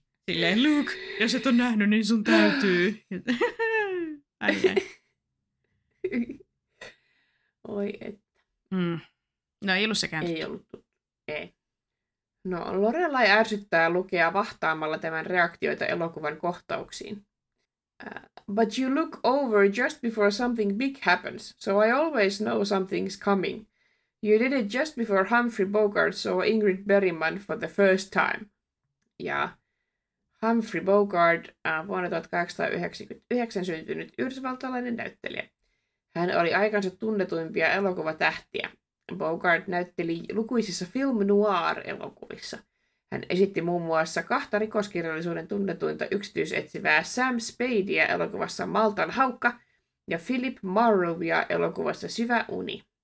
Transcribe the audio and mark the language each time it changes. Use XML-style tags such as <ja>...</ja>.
<fi>Silleen, Luke, jos et ole nähnyt, niin sun täytyy. Ai näin. Oi että. No ei ollut sekään. Ei ollut tuttu. Ei. No Lorelai ärsyttää lukea vahtaamalla tämän reaktioita elokuvan kohtauksiin.</fi> <en>But you look over just before something big happens, so I always know something's coming. You did it just before Humphrey Bogart saw Ingrid Bergman for the first time.</en> <fi>Ja Humphrey Bogart, vuonna 1899 syntynyt yhdysvaltalainen näyttelijä. Hän oli aikansa tunnetuimpia elokuvatähtiä. Bogart näytteli lukuisissa film noir-elokuvissa. Hän esitti muun muassa 2 rikoskirjallisuuden tunnetuinta yksityisetsivää Sam Spadea elokuvassa Maltan haukka ja Philip Marlowea elokuvassa Syvä uni.</fi>